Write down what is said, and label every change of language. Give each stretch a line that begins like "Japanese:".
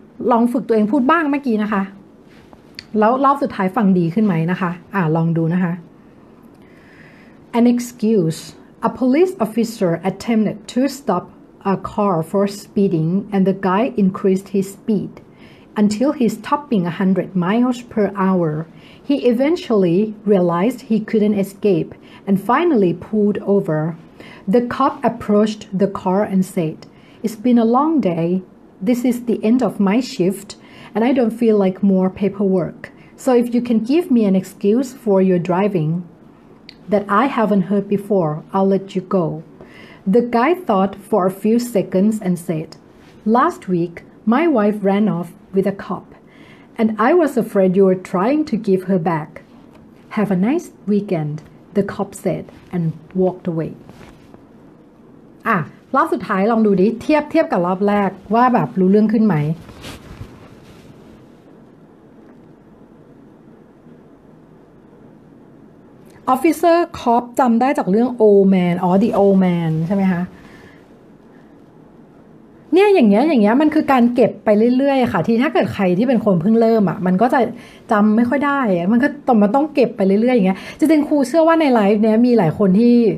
Thai: ลองฝึกตัวเองพูดบ้างเมื่อกี้นะคะแล้วรอบสุดท้ายฟังดีขึ้นไหมนะคะลองดูนะคะ
English: an excuseA police officer attempted to stop a car for speeding and the guy increased his speed until he's topping 100 miles per hour. He eventually realized he couldn't escape and finally pulled over. The cop approached the car and said, "It's been a long day. This is the end of my shift and I don't feel like more paperwork. So if you can give me an excuse for your driving,that I haven't heard before, I'll let you go. The guy thought for a few seconds and said, last week, my wife ran off with a cop, and I was afraid you were trying to give her back. Have a nice weekend, the cop said, and walked away.
Thai: รอบสุดท้ายลองดูดิเทียบกับรอบแรกว่าแบบรู้เรื่องขึ้นไหมOfficer Cop จำได้จากเรื่อง Old Man อ๋อ The Old Man ใช่ไหมคะเนี่ยอย่างเงี้ยมันคือการเก็บไปเรื่อยๆค่ะที่ถ้าเกิดใครที่เป็นคนเพิ่งเริ่มอ่ะมันก็จะจำไม่ค่อยได้มันก็มันต้องเก็บไปเรื่อยๆอย่างเงี้ยจริงๆครูเชื่อว่าในไลฟ์เนี้ยมีหลายคนที่